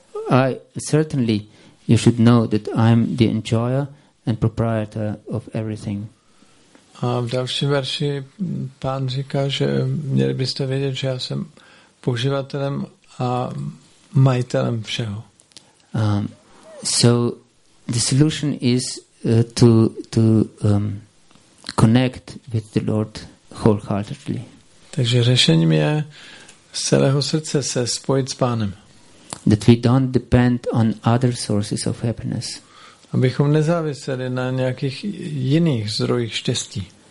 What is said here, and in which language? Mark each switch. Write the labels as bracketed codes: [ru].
[en] I certainly, you should know that I'm the enjoyer and proprietor of everything. [cs] A v další verši pán říká, že měli byste vědět, že já jsem poživatelem a majitelem všeho. [en] So the solution is to connect with the Lord wholeheartedly. [cs] Takže řešením je z celého srdce se spojit s Pánem. [en] That we don't depend on other sources of happiness. [cs] Abychom nezáviseli na nějakých jiných zdrojích štěstí.